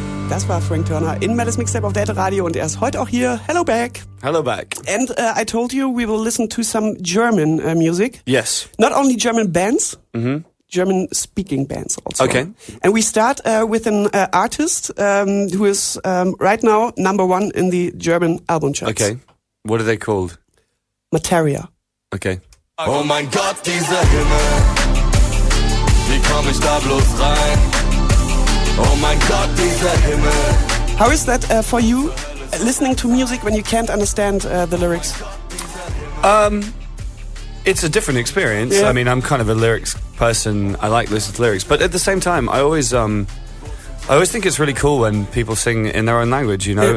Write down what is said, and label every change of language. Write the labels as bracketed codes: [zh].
[de] Das war Frank Turner in Melle's Mixtape auf Delta Radio und er ist heute auch hier. [en] Hello back. Hello back. And I told you we will listen to some German music. Yes. Not only German bands. Mm-hmm. German-speaking bands also. Okay. And we start with an artist who is right now number one in the German album charts. Okay. What are they called? Materia. Okay. [de] Oh mein Gott, dieser Himmel. Wie komm ich da bloß rein? Oh mein Gott, dieser Himmel. [en] How is that for you, listening to music when you can't understand the lyrics? It's a different experience. Yeah. I mean, I'm kind of a lyrics person. I like listening to lyrics. But at the same time, I always think it's really cool when people sing in their own language, you know?